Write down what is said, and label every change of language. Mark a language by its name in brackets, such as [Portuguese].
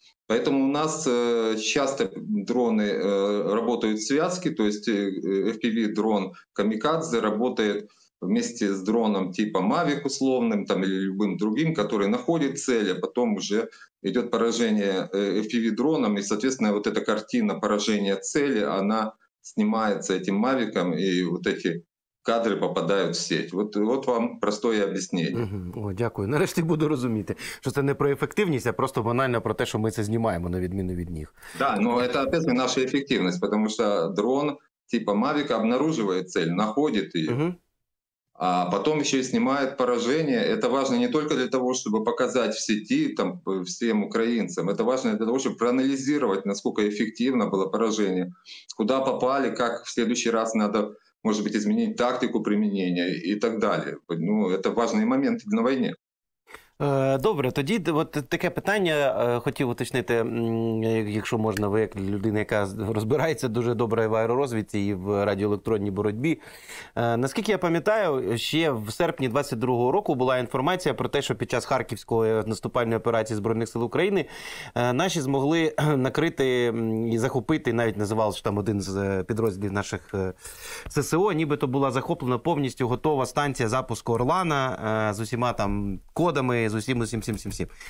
[Russian] Поэтому у нас часто дроны работают в связке, то есть FPV-дрон «Камикадзе» работает вместе с дроном типа «Мавик» условным там, или любым другим, который находит цель, а потом уже идет поражение FPV-дроном, и, соответственно, вот эта картина поражения цели, она снимается этим «Мавиком», и вот эти [Ukrainian] кадри попадають [Russian] в сеть. [Ukrainian] От вам просте об'яснення. О, дякую. Нарешті буду розуміти, що це не про ефективність, а просто банально про те, що ми це знімаємо, на відміну від них. Так, ну це опять наша ефективність, тому що дрон типу Mavic обнаружує цель, знаходить її, а потім ще й знімає пораження. Це важливо не тільки для того, щоб показати в сеті там, всім українцям, це важливо для того, щоб проаналізувати, наскільки ефективно було пораження, куди попали, як в наступний раз треба, [Russian] может быть, изменить тактику применения и так далее. Ну, это важные моменты на войне. [Ukrainian] Добре, тоді от таке питання хотів уточнити, якщо можна, ви як людина, яка розбирається дуже добре в аеророзвідці і в радіоелектронній боротьбі. Наскільки я пам'ятаю, ще в серпні 22-го року була інформація про те, що під час Харківської наступальної операції Збройних сил України наші змогли накрити і захопити, навіть називалося, що там один з підрозділів наших ССО, нібито була захоплена повністю готова станція запуску «Орлана» з усіма там кодами, з усім, усім, всім, всім, всім.